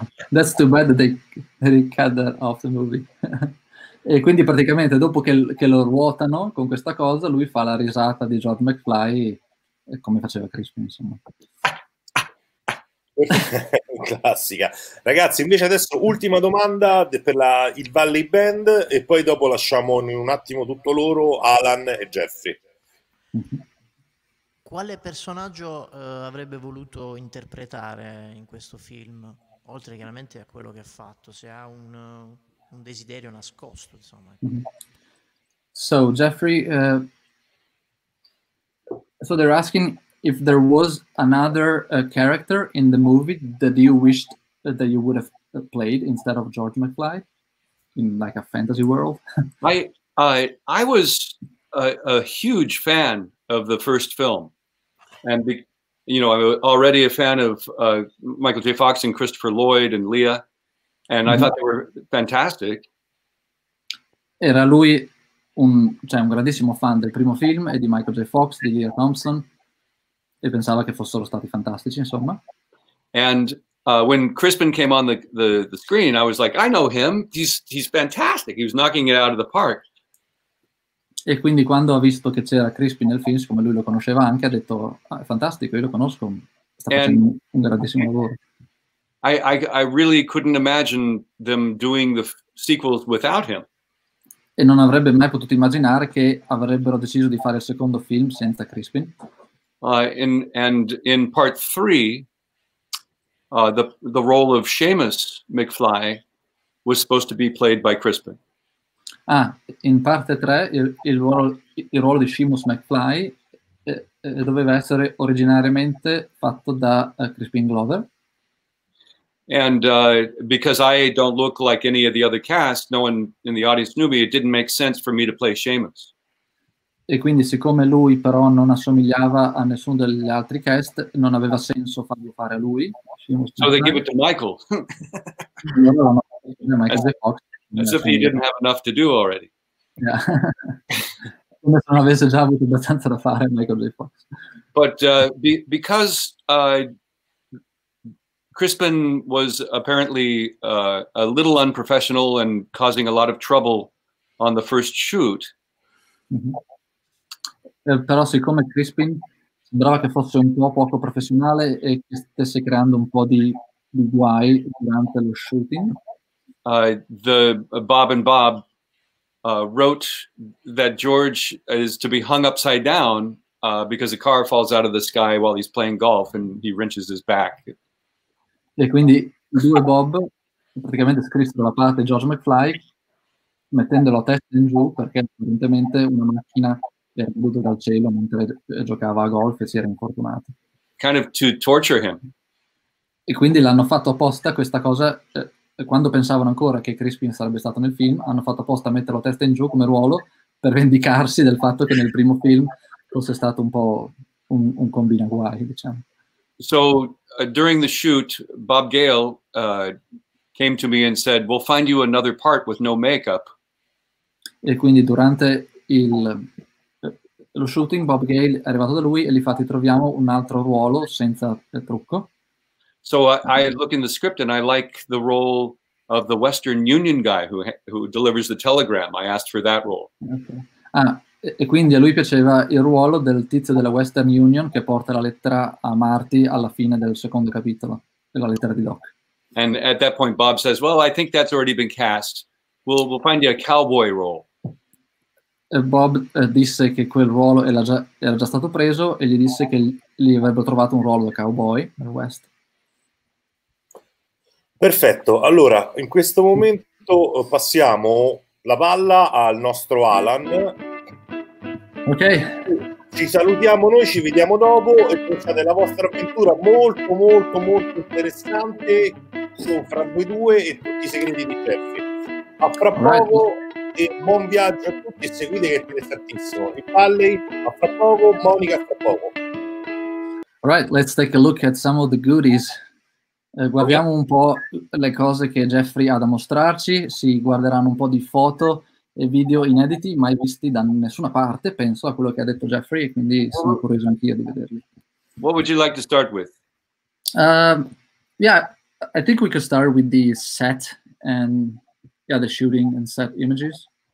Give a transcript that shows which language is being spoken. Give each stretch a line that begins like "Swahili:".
English: That's too bad that they cut that off the movie.
Italian: E quindi praticamente dopo che lo ruotano con questa cosa, lui fa la risata di George McFly, come faceva Crispin, insomma. Classica. Ragazzi, invece adesso ultima domanda per il Valley Band, e poi dopo lasciamo in un attimo tutto loro, Alan e Jeffrey. Quale personaggio avrebbe voluto interpretare in questo film, oltre chiaramente a quello che ha fatto, se ha un desiderio nascosto, insomma.
English: So Jeffrey, so they're asking if there was another character in the movie that you wished that you would have played instead of George McFly in like a fantasy world. I was a huge fan of the first film, and you know, I'm already a fan of Michael J. Fox and Christopher Lloyd and Leah, and I thought they were fantastic.
Italian: Era lui un grandissimo fan del primo film e di Michael J. Fox, di Leah Thompson, e pensava che fossero stati fantastici, insomma.
English: And when Crispin came on the screen, I was like, I know him, he's fantastic, he was knocking it out of the park.
Italian: E quindi quando ha visto che c'era Crispin nel film, siccome lui lo conosceva anche, ha detto, ah, è fantastico, io lo conosco, sta facendo un grandissimo lavoro.
English: I really couldn't imagine them doing the sequels without him.
Italian: E non avrebbe mai potuto immaginare che avrebbero deciso di fare il secondo film senza Crispin.
English: In part three, the role of Seamus McFly was supposed to be played by Crispin.
Italian: Ah, in parte tre il ruolo di Seamus McFly doveva essere originariamente fatto da Crispin Glover.
English: And because I don't look like any of the other cast, no one in the audience knew me, it didn't make sense for me to play Seamus.
Italian: E quindi siccome lui però non assomigliava a nessuno degli altri cast, non aveva senso farlo fare a lui.
English: So they give it to Michael. Michael J. Fox. As if he didn't have enough to do already.
Italian: Come se non avesse già avuto abbastanza da fare Michael J. Fox.
English: But because Crispin was apparently a little unprofessional and causing a lot of trouble on the first shoot. Mm-hmm.
Italian: Però siccome Crispin sembrava che fosse un po' poco professionale e che stesse creando un po' di guai durante lo shooting.
English: Bob and Bob wrote that George is to be hung upside down because a car falls out of the sky while he's playing golf and he wrenches his back.
Italian: E quindi due Bob praticamente scrissero la parte di George McFly mettendolo a testa in giù perché apparentemente una macchina era caduta dal cielo mentre giocava a golf e si era infortunato.
English: Kind of to torture him.
Italian: E quindi l'hanno fatto apposta questa cosa, quando pensavano ancora che Crispin sarebbe stato nel film, hanno fatto apposta a metterlo a testa in giù come ruolo per vendicarsi del fatto che nel primo film fosse stato un po' un combina guai, diciamo.
English: So during the shoot, Bob Gale came to me and said, "We'll find you another part with no makeup."
Italian: E quindi durante lo shooting, Bob Gale è arrivato da lui e gli ha fatto: "Troviamo un altro ruolo senza trucco."
English: So I look in the script and I like the role of the Western Union guy who delivers the telegram. I asked for that role. Okay. Ah.
Italian: E quindi a lui piaceva il ruolo del tizio della Western Union che porta la lettera a Marty alla fine del secondo capitolo, della lettera di Doc.
English: And at that point Bob says, "Well, I think that's already been cast. We'll find you a cowboy role."
Italian: E Bob disse che quel ruolo era già stato preso e gli disse che gli avrebbe trovato un ruolo da cowboy nel West. Perfetto. Allora, in questo momento passiamo la palla al nostro Alan. Ok, ci salutiamo noi, ci vediamo dopo e pensate la vostra avventura molto molto molto interessante fra voi due e tutti i segreti di Jeffy. A fra poco e buon viaggio a tutti e seguite che è interessantissimo. Il Valley, a fra poco, Monica a fra poco.
English: All right, let's take a look at some of the goodies.
Italian: Guardiamo un po' le cose che Jeffrey ha da mostrarci, si guarderanno un po' di foto e video inediti mai visti da nessuna parte, penso a quello che ha detto Jeffrey, quindi sono curioso anch'io di vederli.
English: What would you like to start with? I think we could start with the set and the shooting and set images.